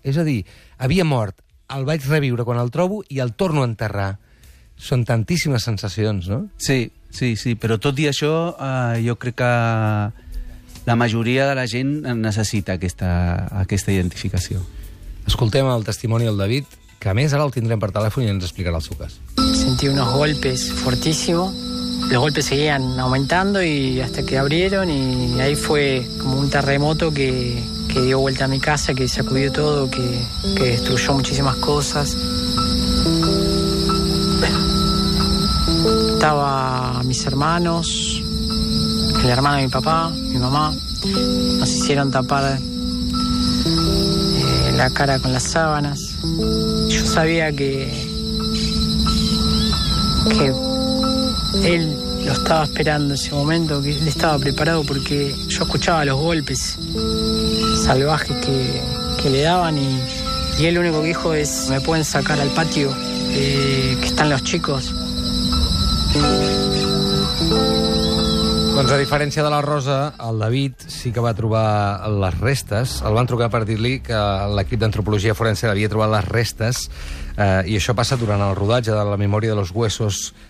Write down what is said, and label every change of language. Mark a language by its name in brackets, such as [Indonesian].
[Catalan] És a dir, havia mort, el vaig reviure quan el trobo i el torno a enterrar. Són tantíssimes sensacions, no? Sí, Sí, sí, però tot i això, jo crec que la majoria de la gent necessita aquesta identificació. Escoltem el testimoni del David, que a més ara el tindrem per telèfon i ens explicarà el seu cas. [Spanish] Sentí unos golpes fortísimos. Los golpes seguían aumentando y hasta que abrieron y ahí fue como un terremoto que dio vuelta a mi casa, que sacudió todo, que destruyó muchísimas cosas. Estaba mis hermanos, el hermano de mi papá, mi mamá. Nos hicieron tapar la cara con las sábanas. Yo sabía que él lo estaba esperando en ese momento, que él estaba preparado, porque yo escuchaba los golpes salvajes que le daban y él lo único que dijo es: me pueden sacar al patio, que están los chicos. [Catalan] Doncs a diferència de la Rosa, el David sí que va trobar les restes. El van trucar per dir-li que l'equip d'antropologia forense havia trobat les restes, i això passa durant el rodatge de La memòria de los huesos.